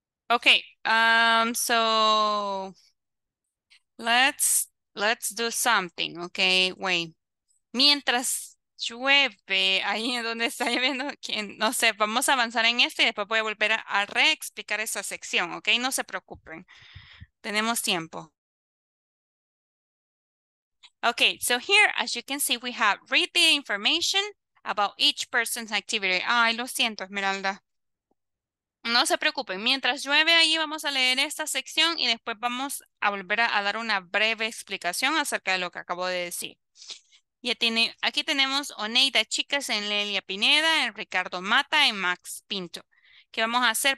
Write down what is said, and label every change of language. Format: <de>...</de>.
<en>Okay, so let's do something, okay, wait.</en> <es>Mientras llueve, ahí donde está lloviendo, no sé, vamos a avanzar en este y después voy a volver a reexplicar esa sección, okay, no se preocupen. Tenemos tiempo.</es> <en>Okay, so here, as you can see, we have read the information about each person's activity.</en> <es>Ay, lo siento, Esmeralda. No se preocupen, mientras llueve ahí vamos a leer esta sección y después vamos a volver a dar una breve explicación acerca de lo que acabo de decir. Aquí tenemos Oneida Chicas en Lelia Pineda, en Ricardo Mata, en Max Pinto. ¿Qué vamos a hacer?</es>